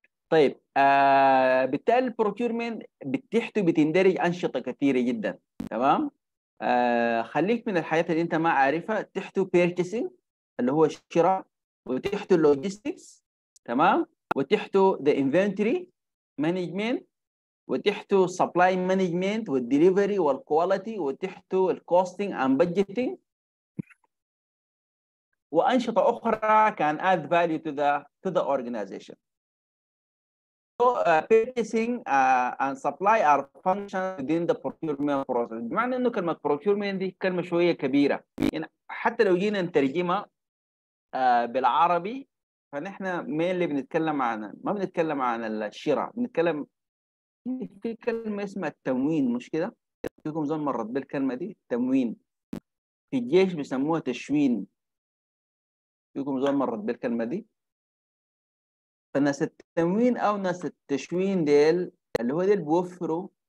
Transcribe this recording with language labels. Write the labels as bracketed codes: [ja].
[ar] طيب بالتالي البروكيورمنت بتحته بتندرج انشطه كثيره جدا، تمام؟ خليك من الحاجات اللي انت ما عارفها، تحته بيرتشيسنج اللي هو الشراء، وتحته اللوجيستكس، تمام؟ وتحته ذا انفنتوري مانجمنت، وتحته سبلاي مانجمنت والدليفري والكواليتي، وتحته الكوستنج اند بادجيتنج، وانشطه اخرى كان [en] Add value to the organization. So purchasing and supply are functions within the procurement process. [ar] بمعنى انه كلمه procurement دي كلمه شويه كبيره، يعني حتى لو جينا نترجمها بالعربي فنحن مين اللي بنتكلم عنه؟ ما بنتكلم عن الشراء، بنتكلم في كلمه اسمها التموين، مش كده؟ فيكم زول مرت بالكلمه دي التموين، في الجيش بيسموها تشوين، فيكم زول مرت بالكلمه دي؟ فناس التموين او ناس التشوين ديل اللي هو ديل بيوفروا